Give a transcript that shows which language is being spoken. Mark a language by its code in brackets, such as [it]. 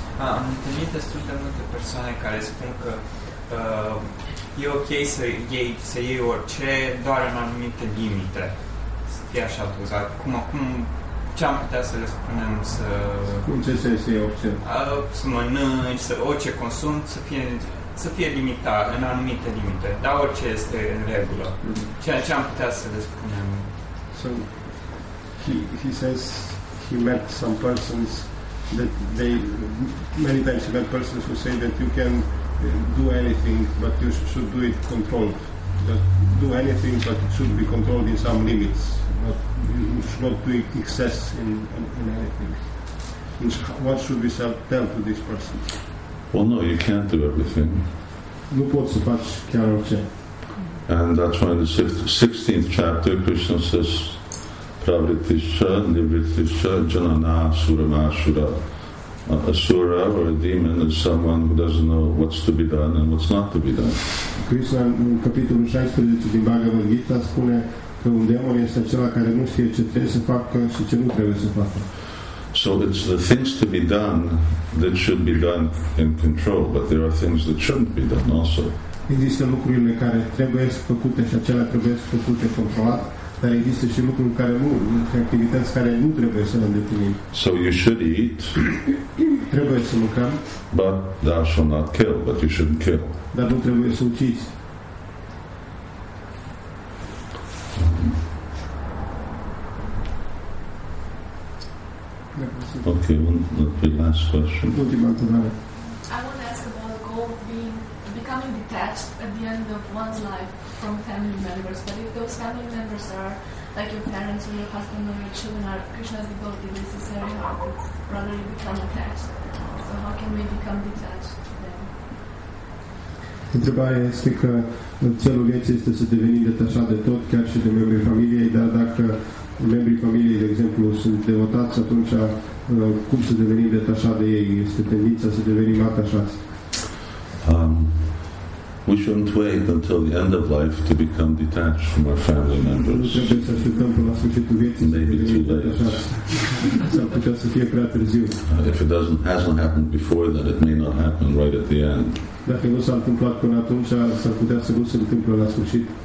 [ro] Am întâlnit destul de multe persoane care spun că e ok să iei orice, doar în anumite limite, să fie așa dozat. Cum ce am putea să le spunem să... Cum ce să iei orice? Să mănânci, să orice consum, să fie limitat în anumite limite, dar orice este în regulă. Ce am putea să le spunem? [en] So, he says he met some persons that they... Many times he met persons who say that you can do anything, but you should do it controlled. Just do anything, but it should be controlled in some limits. You should not do excess in anything. What should we tell to this person? Well, no, you can't do everything. [ro] Nu poți să faci chiar orice. [en] And that's why in the 16th chapter, Krishna says, [sa] Pravritisha, Nivritisha, Janana, Surama, Asura. [en] Asura or a demon is someone who doesn't know what's to be done and what's not to be done. [ro] Krishna, in capitolul 16 din Bhagavad Gita, spune că un demon este acela care nu știe ce trebuie să facă și ce nu trebuie să facă. [en] So it's the things to be done that should be done in control, but there are things that shouldn't be done also. [ro] Există lucrurile care trebuie să făcute și acelea trebuie să făcute controlat. Dar există și lucruri care nu, activități care nu trebuie să le îndeplinim. [en] So you should eat. [ro] Trebuie să mâncăm. [en] But thou shalt not kill, but you shouldn't kill. [ro] Dar nu trebuie să ucizi. [en] Ok, one of the last question. [ro] Ultima întrebare. [en] I want to ask about gold becoming detached at the end of one's life from family members. But if those family members are like your parents or your husband or your children, are Krishna's devotee, this is very hard. It's rather you become attached. So how can we become detached? [ro] Întrebarea este că celul vieții este să devenim detașat de tot, chiar și de membrii familiei, dar dacă membrii familiei, de exemplu, sunt devotați, atunci cum să devenim detașat de ei? Este tendința să devenim atașați. [en] We shouldn't wait until the end of life to become detached from our family members. [ro] Nu trebuie să așteptăm până la sfârșitul vieții. [en] Maybe too late. [ro] S-ar putea să fie prea târziu. [en] If it hasn't happened before, then it may not happen right at the end. [ro] Dacă nu s-a întâmplat până atunci, s-ar putea să nu se întâmple la sfârșit.